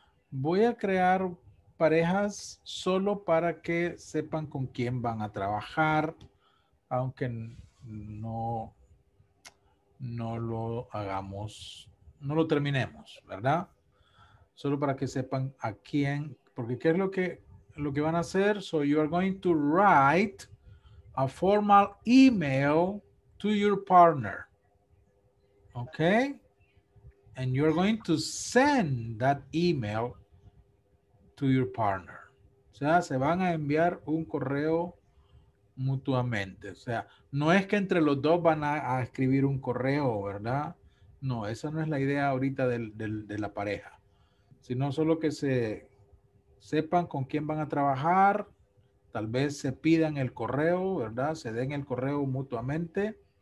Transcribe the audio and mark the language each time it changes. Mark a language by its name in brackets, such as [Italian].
[Spanish] Voy a crear parejas solo para que sepan con quién van a trabajar, aunque no lo hagamos, no lo terminemos, ¿verdad? Solo para que sepan a quién, porque ¿qué es lo que van a hacer? [English] So you are going to write a formal email to your partner, okay? And you are going to send that email to your partner. [Spanish] O sea, se van a enviar un correo mutuamente. O sea, no es que entre los dos van a escribir un correo, ¿verdad? No, esa no es la idea ahorita de la pareja. Sino solo que se sepan con quién van a trabajar. Tal vez se pidan el correo, ¿verdad? Se den el correo mutuamente.